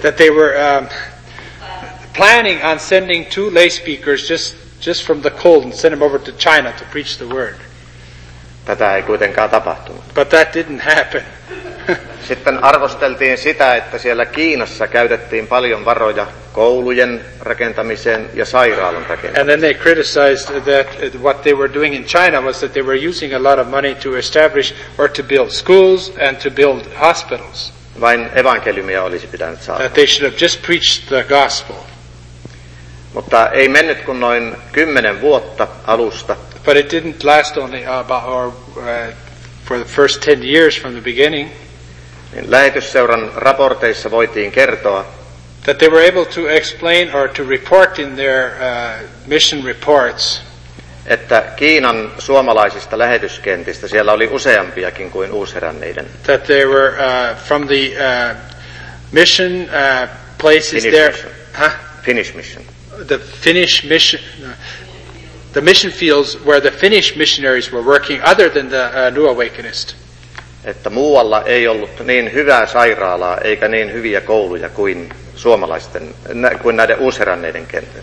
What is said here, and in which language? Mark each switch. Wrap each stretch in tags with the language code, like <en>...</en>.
<en>That they were planning on sending two lay speakers just from the cold and send them over to China to preach the word.</en> <fi>Tätä ei kuitenkaan tapahtunut.</fi> <en>But that didn't happen.</en> <fi>Sitten arvosteltiin sitä, että siellä Kiinassa käytettiin paljon varoja koulujen rakentamiseen ja sairaalan rakentamiseen.</fi> <en>And then they criticized that what they were doing in China was that they were using a lot of money to establish or to build schools and to build hospitals.</en> <fi>Vain evankeliumia olisi pitänyt saada.</fi> <en>That they should have just preached the gospel.</en> <fi>Mutta ei mennyt kuin noin 10 vuotta alusta.</fi> <en>But it didn't last only about for the first 10 years from the beginning.</en> <fi>Lähetysseuran raporteissa voitiin kertoa,</fi> <en>that they were able to explain or to report in their mission reports,</en> <fi>että Kiinan suomalaisista lähetyskentistä siellä oli useampiakin kuin uusheränneiden.</fi> <en>That they were from the mission places Finnish there. Mission. Huh? Finnish mission. The Finnish mission. The mission fields where the Finnish missionaries were working, other than the New Awakenist.</en> <fi>Että muualla ei ollut niin hyvää sairaalaa eikä niin hyviä kouluja kuin suomalaisten kuin näiden uusheränneiden kentällä.</fi>